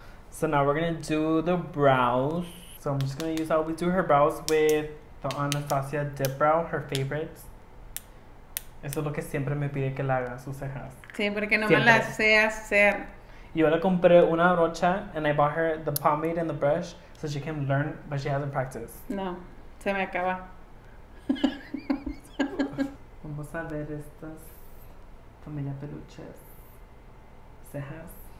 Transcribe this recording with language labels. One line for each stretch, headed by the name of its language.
English: So now we're gonna do the brows. So I'm just gonna use how we do her brows with the Anastasia dip brow, her favorite.
Spanish: Eso es lo que siempre me pide que la haga sus cejas. Sí, porque no siempre. Me la sé hacer. Yo le compré una brocha
English: and I bought her the pomade and the brush so she can learn, but she hasn't practiced.
Spanish: No, se me acaba. Vamos a ver estas familia peluches cejas.